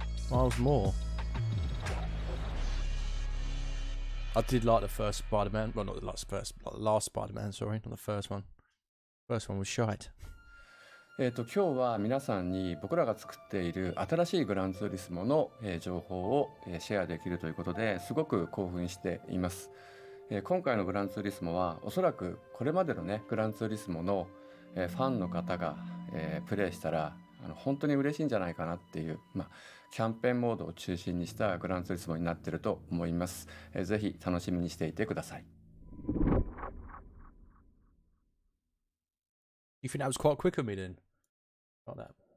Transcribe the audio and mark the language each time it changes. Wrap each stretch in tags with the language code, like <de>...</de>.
<en>Miles Moore. I did like the first Spider-Man. Well, not the last, first, like the last Spider-Man, sorry. Not the first one. First one was shite.</en> <ja>今日は皆さんに僕らが作っている新しいグランツーリスモの情報をシェアできるということですごく興奮しています。今回のグランツーリスモはおそらくこれまでのね、グランツーリスモのファンの方がプレイしたら本当に嬉しいんじゃないかなっていう、まあキャンペーンモードを中心にしたグランツーリスモになっていると思います。ぜひ楽しみにしていてください。</ja> <en>You think that was quite quick of me then? Not that.</en>